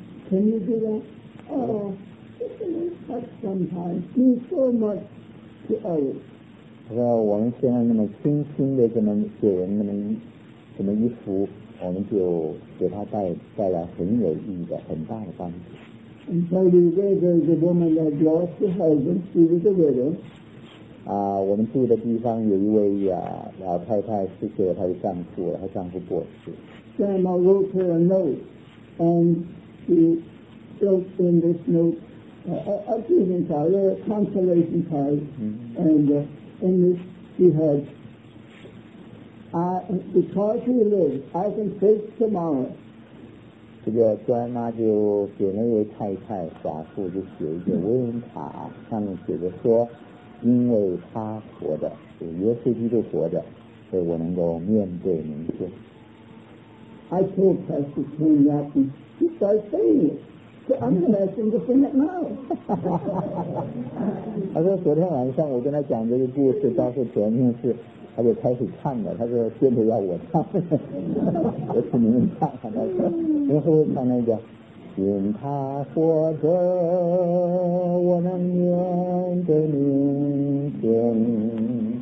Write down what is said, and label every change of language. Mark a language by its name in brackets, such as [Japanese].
[English] Can you do that? Oh, just a little touch sometimes means so much to others. [Chinese] 他说我们现在那么轻轻的这么给人那么一扶，我们就给他带来很有意义的很大的帮助。 [English] And so today there's a woman that lost her husband. She was a widow. [Chinese] 我们住的地方有一位老太太失去了她的丈夫，她丈夫过世。 [English] Grandma wrote her a note and. She wrote in this note, a greeting card, a consolation card, and in this she had, because he lives, I can face tomorrow. [Chinese] 这个端妈就给那位太太寡妇就写一个慰问卡，上面写着说，因为他活着，耶稣基督活着，所以我能够面对明天。 [English] I told Pastor Kane that he started saying it. So I'm going to ask him to sing it now. [Chinese] 他说昨天晚上我跟他讲这个故事，当时前面是他就开始唱了，他说现在要我唱，我请您唱。他说您会不会唱那个？因他活着，我能面对明天。